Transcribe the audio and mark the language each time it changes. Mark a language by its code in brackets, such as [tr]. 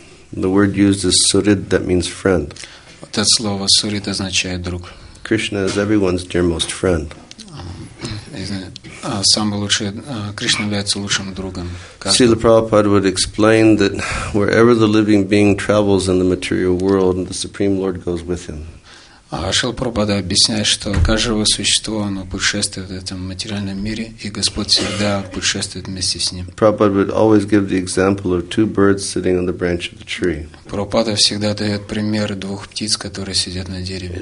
[en] The word used is Surid, that means friend. [ru] Вот это слово Surid означает друг. [en] Krishna is everyone's dearmost friend. [ru] Krishna является лучшим другом. [en] Srila Prabhupada would explain that wherever the living being travels in the material world, the Supreme Lord goes with him. [ru] Шрила Прабхупада объясняет, что каждое живое существо оно путешествует в этом материальном мире, и Господь всегда путешествует вместе с ним. [en] Prabhupada would always give the example of two birds sitting on the branch of the tree. [ru] Прабхупада всегда дает пример двух птиц, которые сидят на дереве.